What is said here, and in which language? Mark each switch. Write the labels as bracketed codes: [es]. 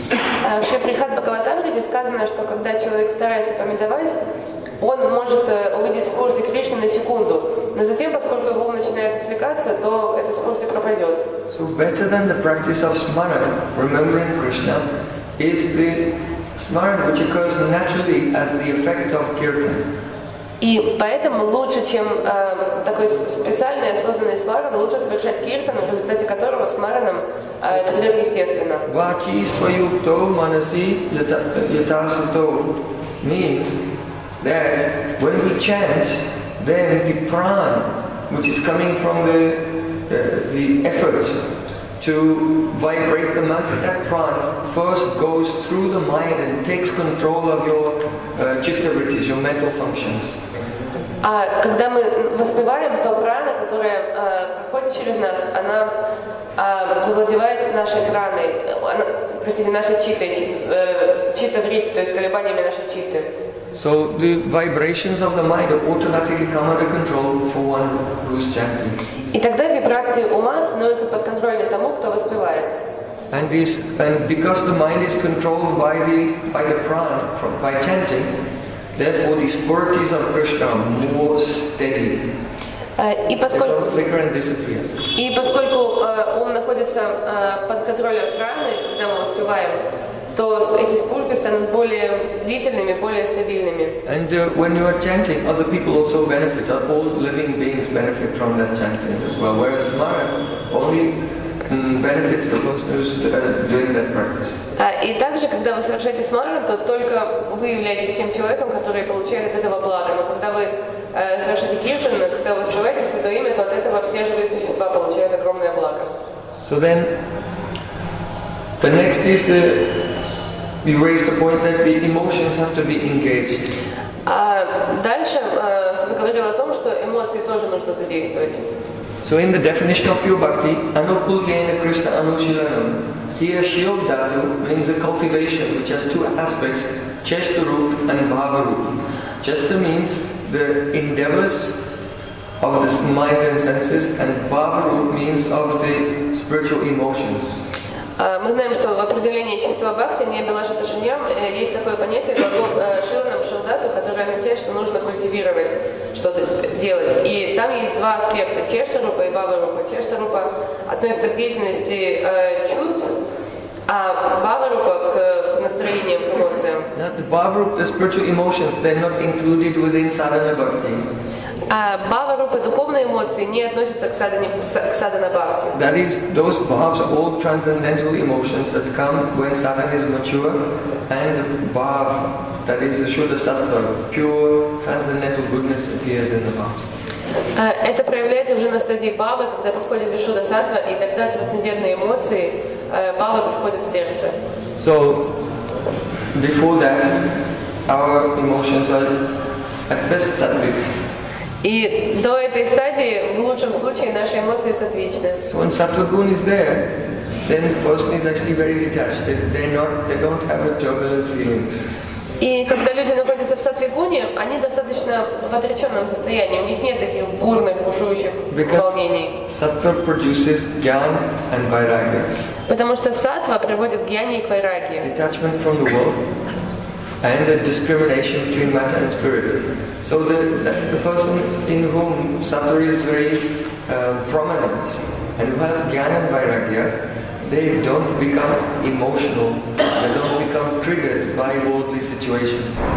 [ru] Вообще, Прихат Бхагаватамри, где сказано, что когда человек старается памятовать, он может увидеть спорти Кришны на секунду, но затем, поскольку его начинает отвлекаться, то эта спорти пропадет. [en] So better than the practice of smarana, remembering Krishna, is the smarana which occurs naturally as the effect of kirtan. [ru] И поэтому лучше, чем такой специальный осознанный смаран, лучше совершать киртан, в результате которого смараном придет естественно. [sa] Вачи сваюкто манаси ятасато [en] means that when we chant, then the prana, which is coming from the effort to vibrate the mantra, that prana first goes through the mind and takes control of your chitta vrittis, your mental functions. [ru] А когда мы воспеваем, то прана, которая проходит через нас, она завладевает нашей праной, простите, нашей читой, читта-вритти, то есть колебаниями нашей читты. [en] So the vibrations of the mind automatically come under control for one who is chanting. [ru] И тогда вибрации ума становятся под контролем тому, кто воспевает. [en] And this, and because the mind is controlled by the prana, by chanting, therefore, the spurities of Krishna are more steady. They don't flicker and disappear. [ru] И поскольку ум находится под контролем праны, когда мы воспеваем, то эти спурти станут более длительными, более стабильными. [en] And when you are chanting, other people also benefit. All living beings benefit from that chanting as well. Whereas smara only benefits the person who's doing that practice. [ru] И также, когда вы совершаете смарану, то только вы являетесь тем человеком, который получает от этого благо. Но когда вы совершаете киртан, когда вы воспеваете святое имя, то от этого все живые существа получают огромное благо. [en] So then, the next is the, you raised the point that the emotions have to be engaged. [ru] Дальше заговорил о том, что эмоции тоже нужно задействовать. [en] So in the definition of pure bhakti, [sa] anukulyena krishna anushilanam, [en] here shiodhatu means a cultivation which has two aspects, chestarup and bhavarup. Chesta means the endeavors of the mind and senses, and bhavarup means of the spiritual emotions. [ru] Мы знаем, что в определении чистого бхакти, не обилажата шуньям, есть такое понятие, как шиланам шилдату, которое означает, что нужно культивировать, что-то делать. И там есть два аспекта, чештарупа и баварупа. Чештарупа относится к деятельности чувств, а баварупа к настроениям, к эмоциям. [en] The bhavarupa, the spiritual emotions, they're not included within sadhana bhakti. [ru] Бхава-рупы, духовные эмоции, не относятся к садхана-бхакти. [en] That is, those bhavs are all transcendental emotions that come when sadhana is mature, and bhav, that is the shuddha-sattva, pure transcendental goodness appears in the bhav. [ru] Это проявляется уже на стадии бхавы, когда приходит шуддха-саттва, и тогда трансцендентные эмоции бхавы приходят в сердце. [en] So, before that, our emotions are at best sattvic. [ru] И до этой стадии, в лучшем случае, наши эмоции сатвичны. [en] So when sattva-gun is there, then the person is actually very detached. They don't have a turbulent feelings. [ru] И когда люди находятся в сатви-гуне, они достаточно в отреченном состоянии. У них нет таких бурных, бушующих волнений. [en] Sattva produces jnana and vairagya. [ru] Потому что сатва приводит к гьяне и к вайраге. [en] Detachment from the world and a discrimination between matter and spirit. So the person in whom sattva is very prominent and who has jnana and vairagya, they don't become emotional, they don't become triggered by worldly situations.